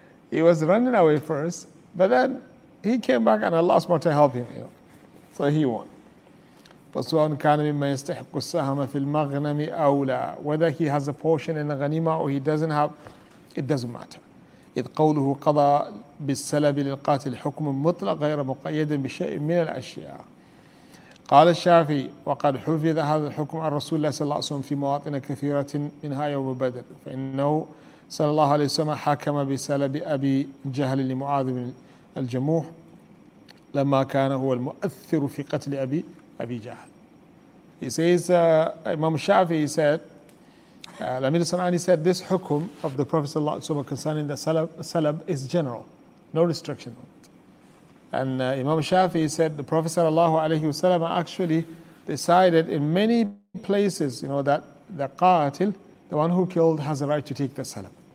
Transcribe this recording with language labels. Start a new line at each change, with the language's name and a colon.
English: He was running away first, but then he came back and Allah subhanahu wa ta'ala helped him, you know. So he won.
Arabic: فسواء كان مما يستحق السهم في المغنم أو لا.
English: Whether he has a portion in the غنيمة or he doesn't have, it doesn't matter.
Arabic: إذ قوله قضى بالسلب للقاتل حكم مطلق غير مقيد بشيء من الأشياء. قال الشافعي وقد حفظ هذا الحكم عن رسول الله صلى الله عليه وسلم في مواطن كثيرة منها يوم بدر فإنه صلى الله عليه وسلم حكم بسلب أبي جهل لمعاذ بن الجموح لما كان هو المؤثر في قتل أبي Abi Jahl.
English: He says, Imam Shafi said, Al-Amir al-Sanani said, this hukum of the Prophet concerning the salab is general, no restriction on it. And Imam Shafi said, the Prophet actually decided in many places, you know, that the qatil, the one who killed, has a right to take the salab.